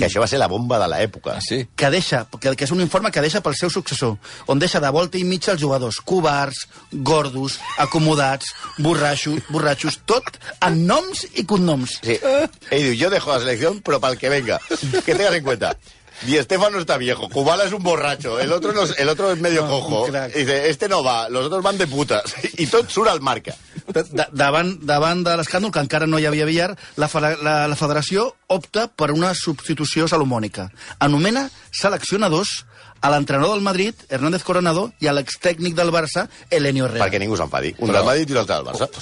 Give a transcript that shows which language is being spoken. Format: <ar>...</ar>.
<ca>Que això va ser la bomba de l'època. Ah, sí? Que deixa, que és un informe que deixa pel seu successor, on deixa de volta i mitja els jugadors. Covards, gordos, acomodats, borratxos, tot amb noms i cognoms. Sí. Ell diu, jo dejo la selecció, però pel que venga.</ca> <es>Que tengas en cuenta. Di Stéfano está viejo, Kubala es un borracho, el otro es medio cojo. Dice, este no va, los otros van de putas.</es> <ca>I tot surt al Marca. Davant de l'escàndol, que encara no hi havia billar, la federació opta per una substitució salomònica. Anomena seleccionadors a l'entrenador del Madrid, Hernández Coronado, i a l'extècnic del Barça, Elenio Herrera. Perquè ningú s'enfadi. Un del Madrid i l'altre del Barça.</ca>